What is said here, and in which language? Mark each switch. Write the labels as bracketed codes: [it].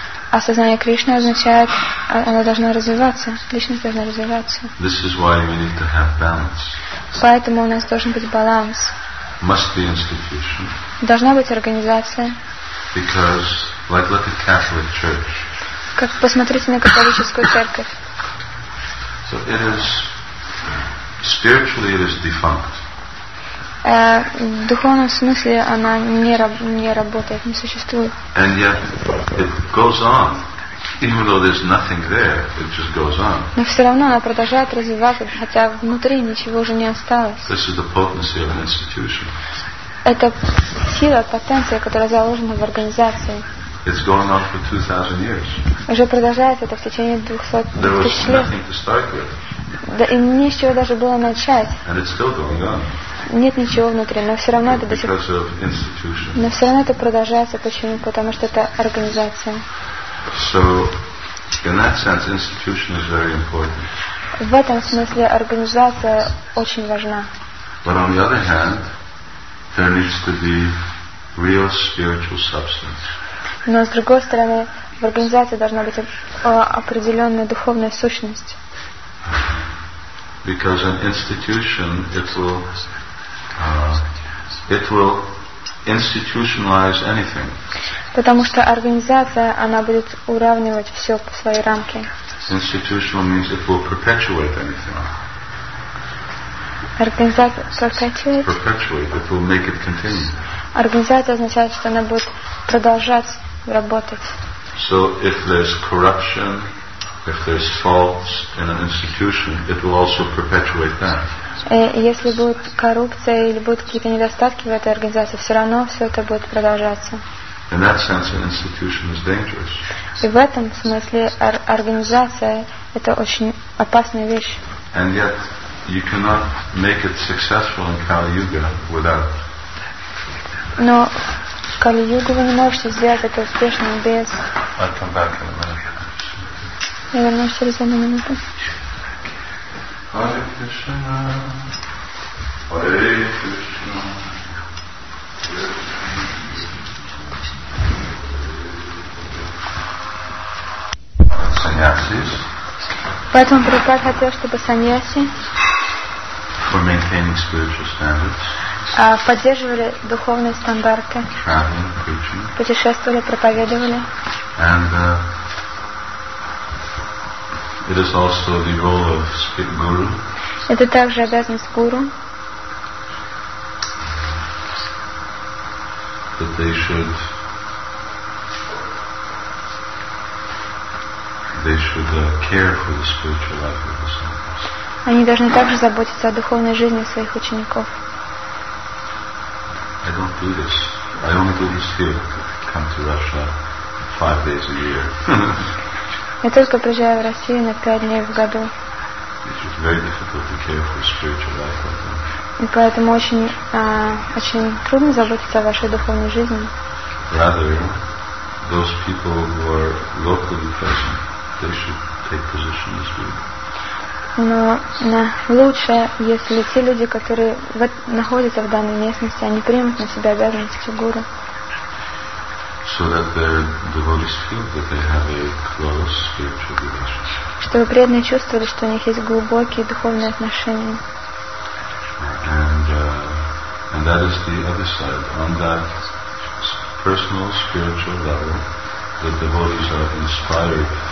[ru] Осознание Кришны означает, оно должно развиваться, личность должна развиваться. [en] This is why we need to have balance. [ru] Поэтому у нас должен быть баланс. [en] Must be institution. [ru] Должна быть организация. [en] Because, like, look at Catholic Church. [ru] Как посмотрите на католическую церковь. [en] So it is spiritually it is defunct. [ru] В духовном смысле она не работает, не существует. [en] And yet it goes on, even though there's nothing there, it just goes on. [ru] Но все равно она продолжает развиваться, хотя внутри ничего уже не осталось. [en] This is the potency of an institution. [ru] Это сила, потенция, которая заложена в организации. [en] It's going on for 2,000 years. [ru] Уже продолжается это в течение 200 лет. [en] There was nothing to start with. [ru] Да и не с чего даже было начать. [en] And it's still going on. [ru] Нет ничего внутри, но все равно это но все равно это продолжается. Почему? Потому что это организация. [en] So, in that sense, institution is very important. [ru] В этом смысле организация очень важна. [en] But on the other hand, there needs to be real spiritual substance. [ru] Но с другой стороны, в организации должна быть определенная духовная сущность. [en] Because an institution, it will institutionalize anything. [ru] Потому что организация, она будет уравнивать все по своей рамке. [en] Institutional means it will perpetuate anything. Perpetuate, it will make it continue. [ru] Организация означает, что она будет продолжать работать. [en] So if there's corruption, if there's faults in an institution, it will also perpetuate that. [ru] Если будет коррупция или будут какие-то недостатки в этой организации, все равно все это будет продолжаться. [en] In that sense, an institution is dangerous. [ru] И в этом смысле организация – это очень опасная вещь. [en] And yet, you cannot make it successful in Kali-Yuga without. [ru] Но в Кали-Югу вы не можете сделать это успешно без. [en] I'll come back in a minute. [ru] Я вернусь через одну минуту. [en] Hare Krishna, Hare Krishna. Sannyasis. [ru] Поэтому Прабхупада хотел, чтобы саньяси. [en] For maintaining spiritual standards. [ru] Поддерживали духовные стандарты. [en] Traveling, preaching. [ru] Путешествовали, проповедовали. [en] And it is also the role of guru. [ru] Это также обязанность гуру. [en] That they should. They should care for the spiritual life of the disciples. [ru] Они должны также заботиться о духовной жизни своих учеников. [en] I don't do this. I only do this here. Come to Russia 5 days a year. [ru] Я только приезжаю в Россию на 5 дней в году. [en] It is very difficult to care for spiritual life of them. [ru] И поэтому очень трудно заботиться о вашей духовной жизни. [en] Rather, those people who are locally present. They should take position as we. [ru] Но на лучше, если те люди, которые находятся в данной местности, они примут на себя обязанности гуру. [en] So that their devotees feel that they have a close spiritual relationship. [ru] Чтобы преданные чувствовали, что у них есть глубокие духовные отношения. [en] And that is the other side. On that personal spiritual level, the devotees are inspired.